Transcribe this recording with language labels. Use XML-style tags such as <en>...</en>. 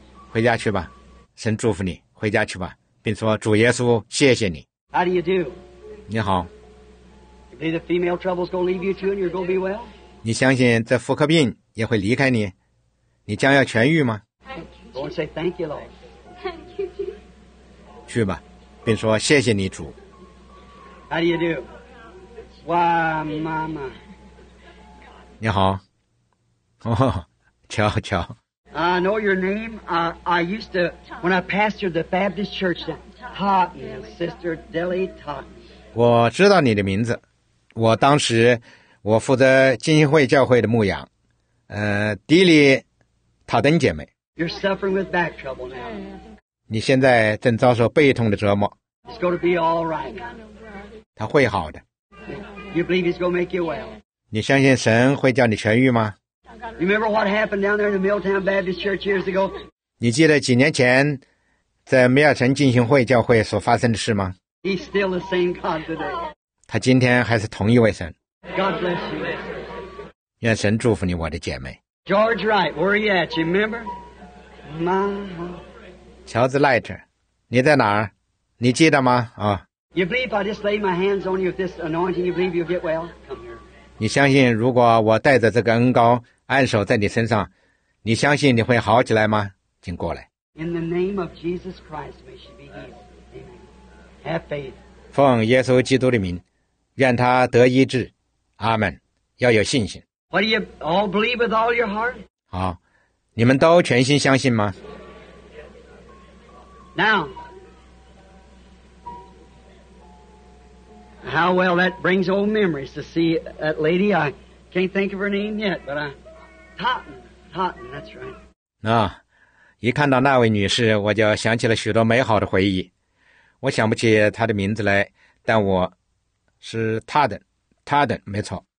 <zh>回家去吧，神祝福你，回家去吧，并说主耶稣，谢谢你。</zh> <en>How do you do?</en> <zh>你好。</zh> <en>You believe the female trouble is going to leave you too, and you're going to be well?</en> <zh>你相信这妇科病也会离开你，你将要痊愈吗？</zh> <en>Go and say thank you, Lord. Thank you, Jesus.</en> <zh>去吧，并说谢谢你，主。</zh> <en>How do you do? Wow, Mama.</en> <zh>你好，哦，瞧瞧。</zh> <en>I know your name. I used to, when I pastored the Baptist church, Sister Dilly Totten.</en> <zh>我知道你的名字。我当时我负责浸信会教会的牧养，迪里塔登姐妹。</zh> <en>You're suffering with back trouble now.</en> <zh>你现在正遭受背痛的折磨。</zh> <en>It's going to be all right.</en> <zh>他会好的。</zh> <en>You believe he's going to make you well?</en> <zh>你相信神会叫你痊愈吗？</zh> <en>You remember what happened down there in the Milltown Baptist Church years ago?</en> <zh>你记得几年前在米尔城浸信会教会所发生的事吗？</zh> <en>He's still the same God today.</en> <zh>他今天还是同一位神。</zh> <en>God bless you.</en> <zh>愿神祝福你，我的姐妹。</zh> <en>George Wright, where are you at? You remember?</en> <zh>George Wright, 你在哪儿？你记得吗？啊、哦。</zh> <en>You believe if I just lay my hands on you with this anointing, you believe you'll get well? Come here.</en> <zh>你相信如果我带着这个恩膏按手在你身上，你相信你会好起来吗？请过来。</zh> <en>In the name of Jesus Christ, may she be healed. Amen. Have faith.</en> <zh>奉耶稣基督的名，愿他得医治。阿门。要有信心。</zh> <en>What do you all believe with all your heart?</en> <zh>好，你们都全心相信吗？</zh> <en>Now, how well that brings old memories to see that lady. I can't think of her name yet, but Totten, that's right.</en> <zh>那、哦、一看到那位女士，我就想起了许多美好的回忆。我想不起她的名字来，但我是 Totten, 没错。</zh>